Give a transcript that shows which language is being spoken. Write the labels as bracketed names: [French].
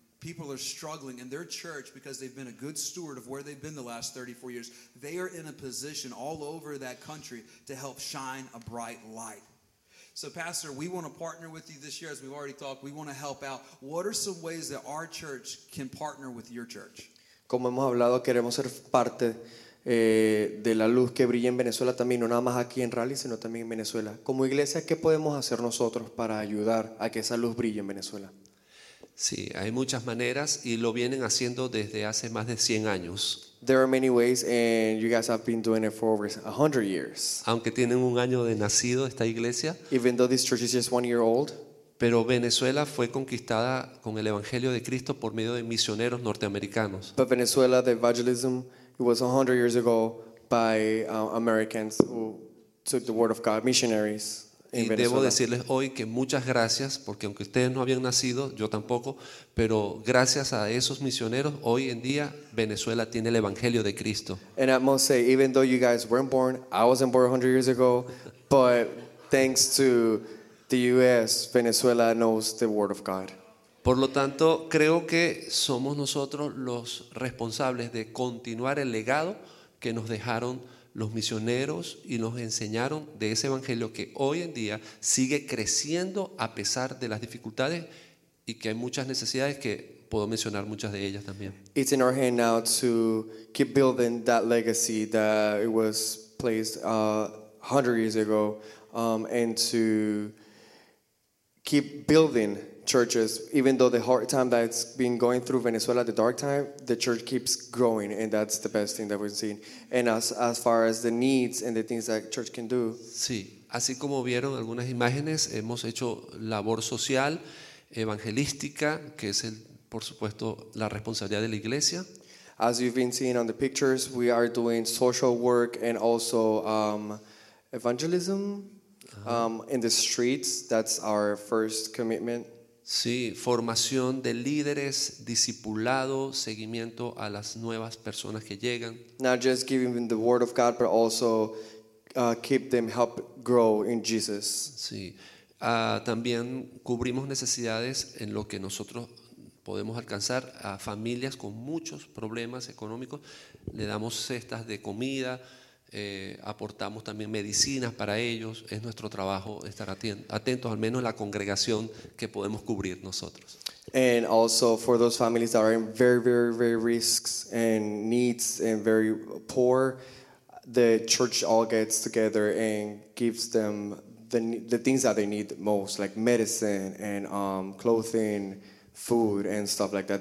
[English] People are struggling in their church because they've been a good steward of where they've been the last 34 years. They are in a position all over that country to help shine a bright light. So, Pastor, we want to partner with you this year, as we've already talked. We want to help out. What are some ways that our church can partner with your church? [Spanish] Como hemos hablado, queremos ser parte de la luz que brilla en Venezuela también, no nada más aquí en Raleigh, sino también en Venezuela. Como iglesia, ¿qué podemos hacer nosotros para ayudar a que esa luz brille en Venezuela? Sí, hay muchas maneras y lo vienen haciendo desde hace más de 100 años. [English] There are many ways and you guys have been doing it for over 100 years. [Spanish] Aunque tienen un año de nacido esta iglesia. [English] Even though this church is just 1 year old. [Spanish] Pero Venezuela fue conquistada con el evangelio de Cristo por medio de misioneros norteamericanos. [English] But Venezuela, the evangelism, it was 100 years ago by Americans who took the word of God, missionaries. [Spanish] Y debo decirles hoy que muchas gracias, porque aunque ustedes no habían nacido, yo tampoco, pero gracias a esos misioneros, hoy en día Venezuela tiene el Evangelio de Cristo. [English] And I must say, even though you guys weren't born, I wasn't born 100 years ago, but thanks to the U.S., Venezuela knows the Word of God. [Spanish] Por lo tanto, creo que somos nosotros los responsables de continuar el legado que nos dejaron los misioneros y nos enseñaron de ese evangelio que hoy en día sigue creciendo a pesar de las dificultades y que hay muchas necesidades que puedo mencionar muchas de ellas también. [English] It's in our hand now to keep building that legacy that it was placed 100 years ago and to keep building churches even though the hard time that's been going through Venezuela, the dark time, the church keeps growing, and that's the best thing that we've seen. And as far as the needs and the things that church can do, [Spanish] sí, así como vieron algunas imágenes, hemos hecho labor social evangelística, que es el, por supuesto, la responsabilidad de la iglesia. [English] As you've been seeing on the pictures, we are doing social work and also evangelism in the streets. That's our first commitment. [Spanish] Sí, formación de líderes, discipulado, seguimiento a las nuevas personas que llegan. [English] Not just giving them the word of God, but also keep them help grow in Jesus. [Spanish] Sí, también cubrimos necesidades en lo que nosotros podemos alcanzar a familias con muchos problemas económicos. Le damos cestas de comida, aportamos también medicinas para ellos. Es nuestro trabajo estar atentos al menos a la congregación que podemos cubrir nosotros. [English] And also for those families that are in very, very, very risks and needs and very poor, the church all gets together and gives them the things that they need most, like medicine and clothing, food and stuff like that.